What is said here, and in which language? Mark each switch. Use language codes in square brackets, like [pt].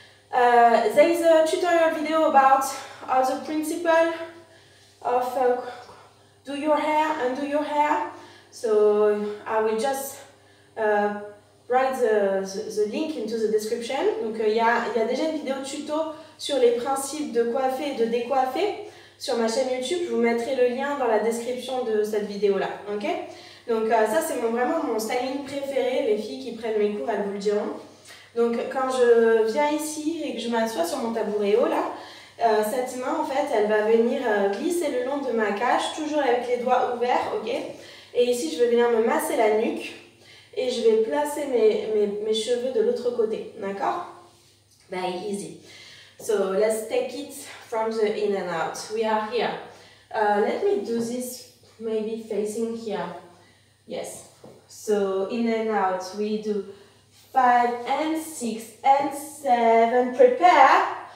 [en] There is a tutorial video about all the principle of do your hair, undo your hair. So I will just write the link into the description. [fr] Donc il y a déjà une vidéo tuto sur les principes de coiffer et de décoiffer sur ma chaîne YouTube. Je vous mettrai le lien dans la description de cette vidéo là, ok? Donc ça c'est vraiment mon styling préféré, les filles qui prennent mes cours elles vous le diront. Donc quand je viens ici et que je m'assois sur mon tabouret haut là, cette main en fait elle va venir glisser le long de ma cage, toujours avec les doigts ouverts, ok? Et ici je vais venir me masser la nuque et je vais placer mes cheveux de l'autre côté, d'accord? [en] Very easy. So let's take it from the in and out. We are here. Let me do this maybe facing here. Yes, so in and out, we do five and six and seven, prepare.